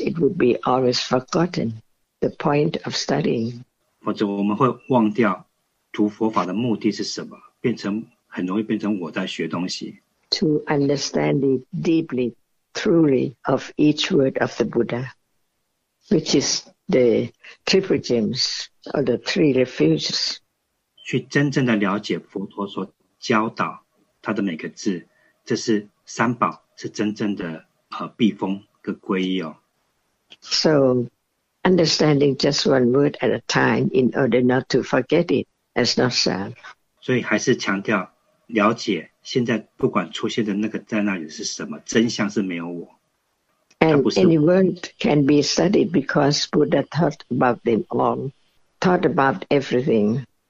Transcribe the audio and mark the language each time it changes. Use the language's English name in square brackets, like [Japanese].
[English] it would be always forgotten, the point of studying. [Chinese] 否则我们会忘掉读佛法的目的是什么,变成很容易变成我在学东西。To [English] understand it deeply, truly, of each word of the Buddha. Which is the triple gems or the three refuges. [Chinese] 去真正的了解佛陀所教导他的每个字, 这是三宝, 是真正的, 避风跟皈依哦。 [English] So, understanding just one word at a time in order not to forget it as not self. [Chinese] 所以还是强调, 了解现在不管出现的那个在那里是什么, 真相是没有我。 [English] And any word can be studied because Buddha thought about them all, thought about everything.